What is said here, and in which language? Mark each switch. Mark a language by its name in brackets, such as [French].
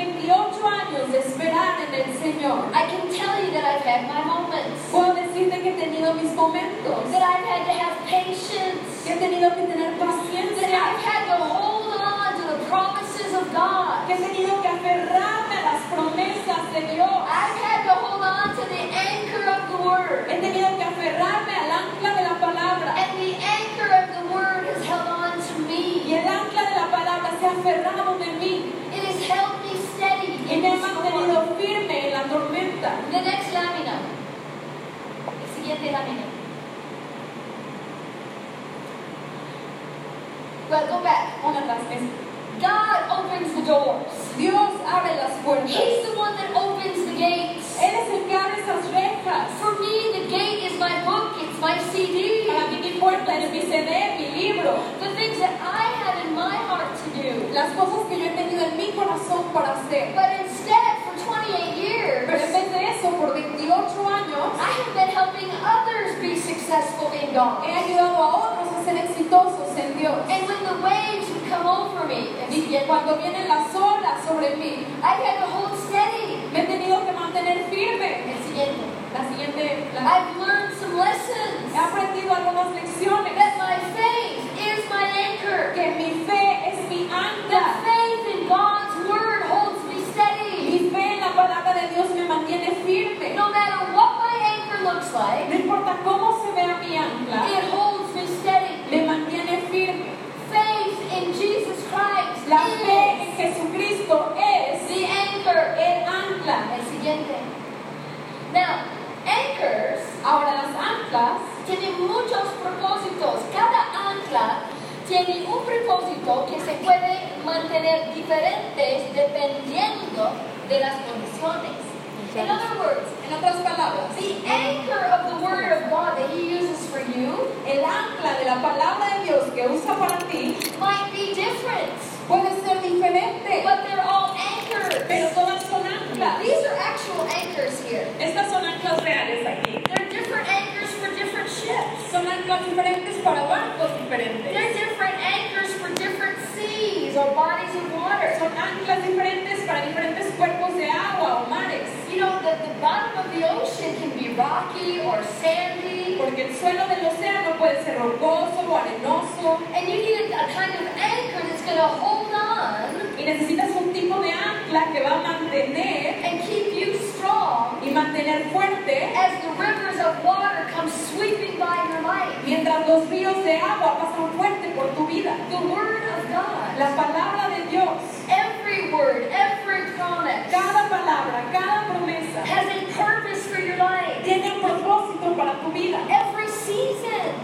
[English] I can tell you that I've had my moments. [Spanish] Puedo decirte que he tenido mis momentos. [English] That I've had to have patience. [Spanish] Que he tenido que tener paciencia. [English] That I've had to hold on to the promises of God. [Spanish] Que he tenido que aferrarme a las promesas de Dios. [English] I've had to hold on to the anchor of the Word. [Spanish] He tenido que aferrarme al ancla de la palabra. [English] And the anchor of the Word has held on to me. [Spanish] Y el ancla de la palabra se ha aferrado de mí. [English] It has held me steady. [Spanish] Y me ha mantenido firme. [English] The next lámina. [Spanish] El siguiente lámina. [English] Welcome back. [Spanish] Una vez más. [English] God opens the doors. [Spanish] Dios abre las puertas. [English] He's the one that opens the gates. [Spanish] Él es el que abre esas rejas. [English] For me, the gate is my book, it's my CD. [Spanish] Para mí, mi puerta es mi CD, mi libro. [English] The things that I have in my heart to do. [Spanish] Las cosas que yo he tenido en mi corazón para hacer. [English] But instead, for 28 years, [Spanish] pero en vez de eso, por 28 años, [English] I have been helping others be successful in God. [Spanish] He ayudado a otros a ser exitosos en Dios. [English] And when the waves come over me, [Spanish] y cuando vienen las olas sobre mí, [English] I had to hold steady. [Spanish] Me he tenido que mantener firme. El siguiente. La siguiente. [English] I've learned some lessons. [Spanish] He aprendido algunas lecciones. [English] That my faith is my anchor. [Spanish] Que mi fe es mi ancla. [English] That faith in God's word holds me steady. [Spanish] Mi fe en la palabra de Dios me mantiene firme. [English] No matter what my anchor looks like, [Spanish] no importa cómo se vea mi ancla, [English] it holds me steady. [Spanish] Me mantiene firme. [English] Faith in Jesus Christ. [Spanish] La fe en Jesucristo es [English] the anchor, [Spanish] el ancla. El siguiente. [English] Now, anchors. [Spanish] Ahora las anclas tienen muchos propósitos. Cada ancla tiene un propósito que se puede mantener diferentes dependiendo de las condiciones. [English] In other words, [Spanish] en otras palabras, [English] the anchor of the word of God that He uses for you, [Spanish] el ancla de la palabra de Dios que usa para ti, [English] might be different. [Spanish] Puede ser diferente. [English] But they're all anchors. [Spanish] Pero todas son anclas. [English] These are actual anchors here. [Spanish] Estas son anclas reales aquí. [English] They're different anchors for different ships. [Spanish] Son anclas diferentes para barcos diferentes. [English] They're different anchors for different seas or bodies of water. [Spanish] Son anclas diferentes para diferentes cuerpos de agua o mares. [English] You know that the bottom of the ocean can be rocky or sandy. [Spanish] Porque el suelo del océano puede ser rocoso o arenoso. [English] And you need a kind of anchor that's going to hold on. [Spanish] Y necesitas un tipo de ancla que va a mantener. [English] And keep you strong. [Spanish] Y mantener fuerte. [English] As the rivers of water come sweeping by your life. [Spanish] Mientras los ríos de agua pasan fuerte por tu vida. [English] The word of God. [Spanish] La palabra de Dios. [English] Every word, every promise. [Spanish] Cada palabra, cada promesa. [English] Has a purpose for your life. [Spanish] Tiene un propósito para tu vida. [English] Every season.